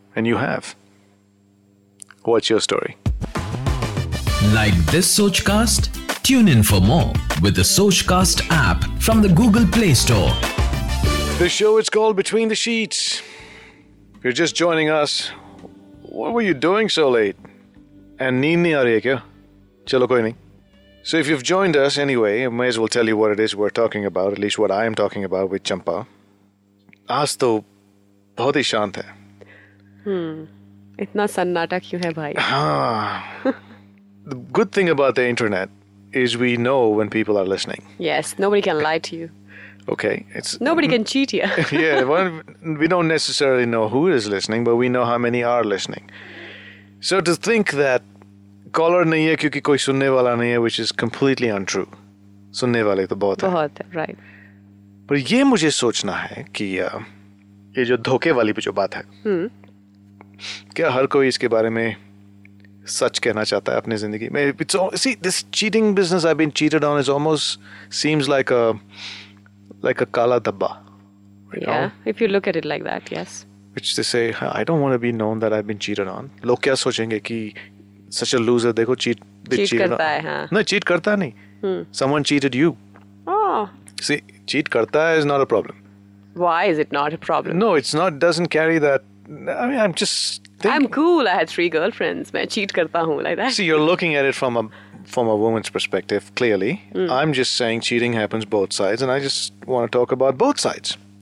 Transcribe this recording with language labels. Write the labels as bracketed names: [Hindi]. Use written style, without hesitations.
[English] And you have. What's your story? Like this Sochcast? Tune in for more with the Sochcast app from the Google Play Store. The show is called Between the Sheets. If you're just joining us, what were you doing so late? [Hindi] And नींद नहीं आ रही है क्या? चलो कोई नहीं। [English] So if you've joined us anyway, I may as well tell you what it is we're talking about, at least what I am talking about with Champa. [Hindi] आज तो बहुत ही शांत है। Itna sannata kyun hai, bhai? [English] The good thing about the internet is we know when people are listening. Yes, nobody can lie to you. Okay. It's nobody can cheat you. Yeah, well, we don't necessarily know who is listening, but we know how many are listening. So to think that caller [Hindi] नहीं है क्योंकि कोई सुनने वाला नहीं है, [English] which is completely untrue. [Hindi] सुनने वाले तो बहुत है। Bahut hai, right. पर ये मुझे सोचना है कि ये जो धोखे वाली पे जो बात है। क्या हर कोई इसके बारे में सच कहना चाहता है अपनी ज़िंदगी में? [English] See, this cheating business I've been cheated on is almost seems like a [Hindi] kala dhabba. [English] Yeah, know? If you look at it like that, yes. Which they say, I don't want to be known that I've been cheated on. [Hindi] लोग क्या सोचेंगे कि [English] such a loser, [Hindi] देखो, cheat karta hai, haan. No, cheat करता नहीं। [English] Someone cheated you. Oh. See, cheat karta is not a problem. Why is it not a problem? No, it's not, doesn't carry that. I mean, I'm just thinking. I'm cool, I had 3 girlfriends. [Hindi] Main cheat karta hoon, [English] like that. See, you're looking at it from a woman's perspective, clearly. I'm just saying cheating happens both sides, and I just want to talk about both sides.